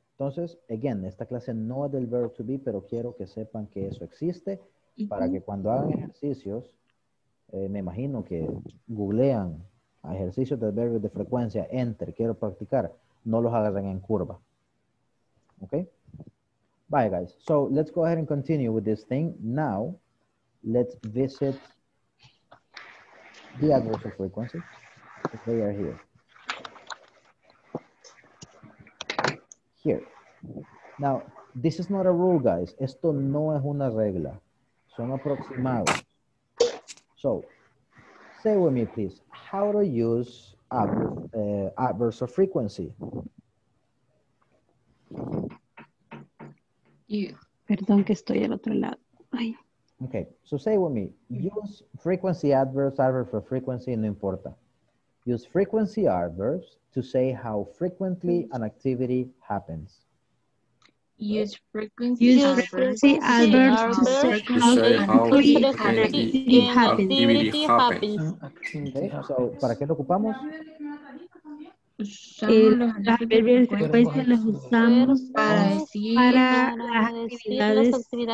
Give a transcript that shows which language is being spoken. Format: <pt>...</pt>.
<es>Entonces, again, esta clase no es del verbo to be, pero quiero que sepan que eso existe para que cuando hagan ejercicios, me imagino que googlean. Ejercicios de verbos de frecuencia, enter, quiero practicar. No los agarren en curva. Ok.</es> <en>Bye, guys. So, let's go ahead and continue with this thing. Now, let's visit the adverbs of frequency. If they are here. Here. Now, this is not a rule, guys.</en> <es>Esto no es una regla. Son aproximados.</es> <en>So, say with me, please, how to use adverbs of frequency.</en> <es>You. Perdón que estoy al otro lado. Ay.</es> <en>Okay, so say with me, use frequency adverbs, adverbs of frequency,</en> <es>no importa.</es> <en>Use frequency adverbs to say how frequently an activity happens. Use frequency adverbs to say how frequently an activity happens.</en> <es>Okay. So, ¿para qué lo ocupamos? Los adverbios de frecuencia los usamos para las actividades.</es>